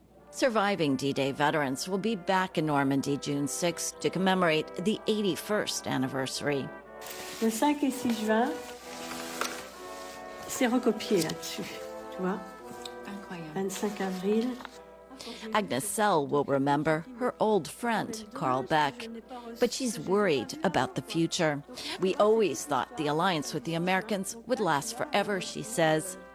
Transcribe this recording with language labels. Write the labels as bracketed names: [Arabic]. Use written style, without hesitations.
[English] Surviving D-Day veterans will be back in Normandy June 6th to commemorate the 81st anniversary. [French] Le 5 et 6 juin, c'est recopié là-dessus, tu vois? Incroyable. 25 avril. [English] Agnes Sell will remember her old friend, Carl Beck. But she's worried about the future. We always thought the alliance with the Americans would last forever, she says.